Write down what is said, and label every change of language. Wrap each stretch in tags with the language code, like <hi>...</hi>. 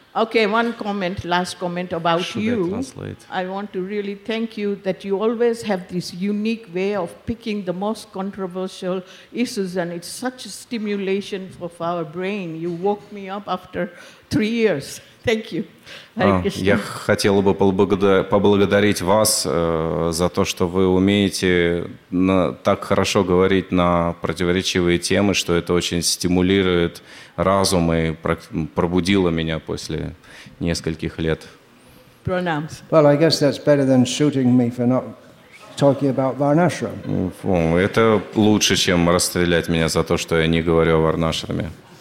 <en>Okay, last comment about you. I want to really thank you that you always have this unique way of picking the most controversial issues, and it's such a stimulation for our brain. You woke me up after 3 years. Thank you.</en> <ru>Я хотела бы поблагодарить вас за то, что вы умеете так хорошо говорить на противоречивые темы, что это очень стимулирует разум и пробудило меня после нескольких лет.</ru> <en>Pronouns. Well, I guess that's better than shooting me for not talking about Varnashram.</en> <ru>Это лучше, чем расстрелять меня за то, что я не говорю о Варнашраме.</ru>